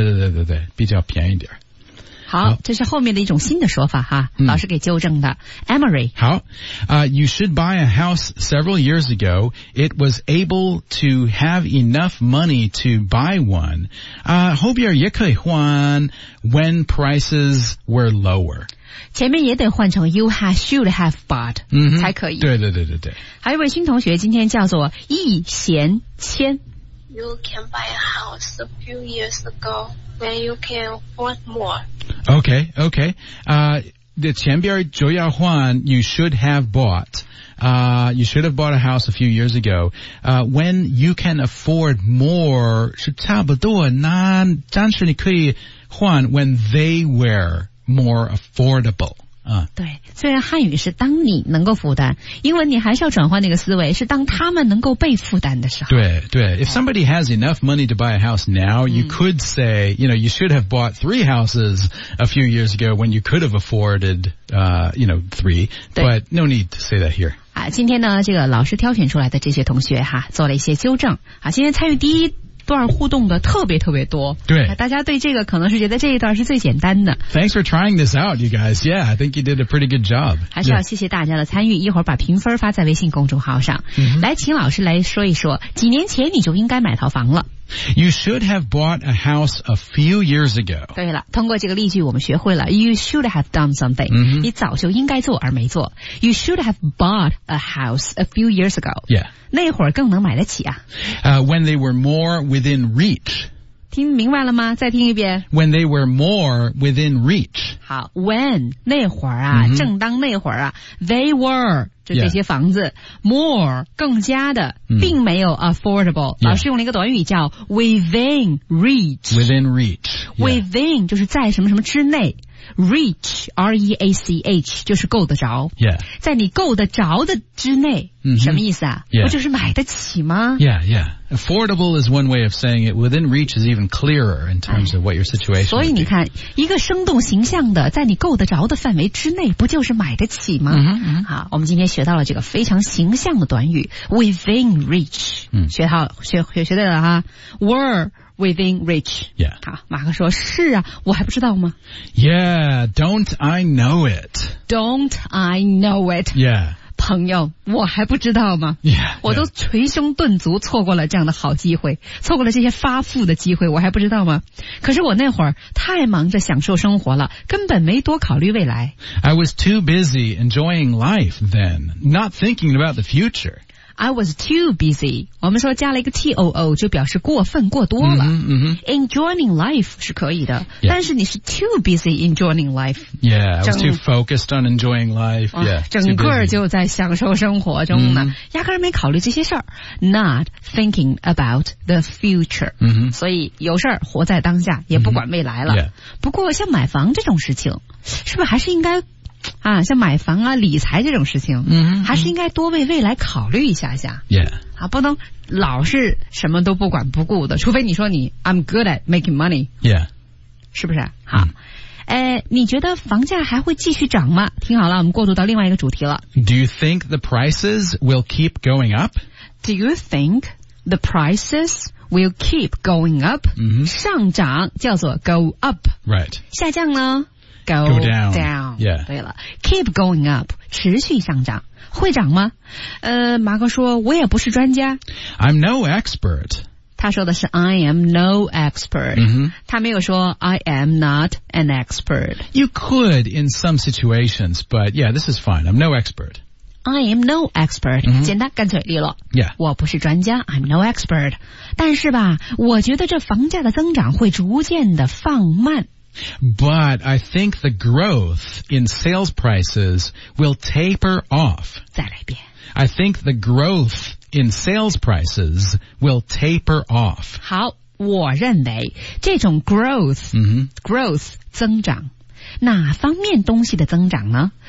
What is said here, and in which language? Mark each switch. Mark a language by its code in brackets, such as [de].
[zh] 对对对对对比较便宜点。好这是后面的一种新的说法哈、老师给纠正的。 Emery [en] 好you should buy a house several years ago. It was able to have enough money to buy one. [zh] 后边也可以换 when prices were lower. [en] 前面也得换成 you have, should have bought,、才可以。 [zh] 对对对对对。还有一位新同学今天叫做易贤谦。 [en] You can buy a house a few years ago. Then you can afford more. Okay. 前边就要换 you should have bought. You should have bought a house a few years ago. When you can afford more, 是差不多那暂时你可以换 when they were more affordable. [zh] 对虽然汉语是当你能够负担英文你还是要转换那个思维是当他们能够被负担的时候 [en] 对对 If somebody has enough money to buy a house now you could say you know you should have bought three houses a few years ago when you could have afforded you know three but no need to say that here [zh] 今天呢这个老师挑选出来的这些同学哈做了一些纠正今天参与第一段互动的特别特别多。对，大家对这个可能是觉得这一段是最简单的。 [en] Thanks for trying this out, you guys. Yeah, I think you did a pretty good job. [zh] 还是要谢谢大家的参与。一会儿把评分发在微信公众号上。 Mm-hmm. 来，请老师来说一说，几年前你就应该买套房了。 [en] You should have bought a house a few years ago. [zh] 对了，通过这个例句我们学会了 You should have done something、 mm-hmm. [en] 你早就应该做而没做 You should have bought a house a few years ago. Yeah. [zh] 那会儿更能买得起啊、 [en] When they were more within reach. [zh] 听明白了吗？再听一遍 [en] When they were more within reach. [zh] 好 When 那会儿啊、mm-hmm. 正当那会儿啊 They were 就这些房子、 [en] yeah. [zh] more 更加的、 mm. 并没有 affordable、 [en] yeah. [zh] 老师用了一个短语叫 within reach [en] within reach、yeah. [zh] within 就是在什么什么之内 reach R-E-A-C-H 就是够得着、 [en] yeah. [zh] 在你够得着的之内、 mm-hmm. 什么意思啊、 [en] yeah. [zh] 不就是买得起吗 [en] yeah yeah affordable is one way of saying it within reach is even clearer in terms of what your situation [zh] 所以你看一个生动形象的在你够得着的范围之内不就是买得起吗、 mm-hmm. 好我们今天学到了这个非常形象的短语 within reach、嗯、学对了哈 were within reach、 [en] yeah. [zh] 好马克说是啊我还不知道吗 [en] yeah don't I know it don't I know it yeah [zh] 朋友我还不知道吗 [en] yeah, yeah. [zh] 我都捶胸顿足错过了这样的好机会错过了这些发富的机会我还不知道吗可是我那会儿太忙着享受生活了根本没多考虑未来 [en] I was too busy enjoying life then not thinking about the future [zh] I was too busy 我们说加了一个 too 就表示过分过多了 mm-hmm, mm-hmm. enjoying life 是可以的、 [en] yeah. 但是你是 too busy enjoying life yeah I was too focused on enjoying life yeah, [zh] 整个就在享受生活中呢、mm-hmm. 压根没考虑这些事儿 not thinking about the future、 mm-hmm. 所以有事儿活在当下也不管未来了、 [en] mm-hmm. yeah. [zh] 不过像买房这种事情是不是还是应该啊，像买房啊理财这种事情、 mm-hmm. 还是应该多为未来考虑一下下 [en] yeah、 [zh] 啊、不能老是什么都不管不顾的除非你说你 I'm good at making money [en] yeah [zh] 是不是好、mm. 你觉得房价还会继续涨吗听好了我们过渡到另外一个主题了 [en] Do you think the prices will keep going up? Do you think the prices will keep going up?、 Mm-hmm. [zh] 上涨叫做 go up [en] Right [zh] 下降呢 [en] Go down. Yeah. 对了 ,keep going up, 持续上涨。 [zh] 会涨吗马哥说我也不是专家。 [en] I'm no expert. 他说的是 I am no expert.、 Mm-hmm. 他没有说 I am not an expert. You could in some situations, but yeah, this is fine. I'm no expert. I am no expert.、 Mm-hmm. [zh] 简单干脆利落。 [en] Yeah. [zh] 我不是专家 , I'm no expert. 但是吧我觉得这房价的增长会逐渐的放慢。 [en] But I think the growth in sales prices will taper off. [zh] 再来一遍。 [en] I think the growth in sales prices will taper off. [zh] 好，我认为这种 growth,、 mm-hmm. growth 增长，哪方面东西的增长呢？